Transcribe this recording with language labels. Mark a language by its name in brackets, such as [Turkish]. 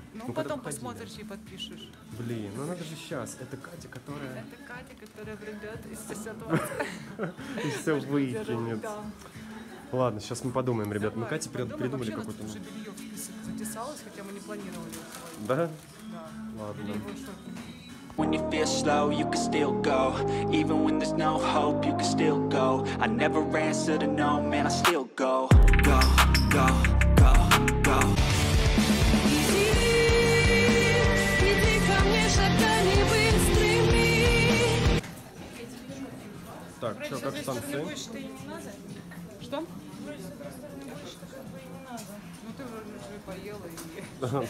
[Russian] Ну, потом посмотришь и подпишешь. Блин, ну надо же сейчас. Это Катя, которая... Это Катя, которая врет из 60-го. И все выкинет. Ладно, сейчас мы подумаем, ребят. Мы Кате придумали какую-то... Вообще, надо уже белье в список затесалось, хотя мы не планировали. Да? Да. Ладно. [English] When you feel slow, you can still go. Even when there's no hope, you can still go. I never answer to no, man, I still go. Go, go, go, go. [Russian] Иди, иди ко мне, шагами стреми. Так, что, как там все? Что? Ну ты вроде уже поела и...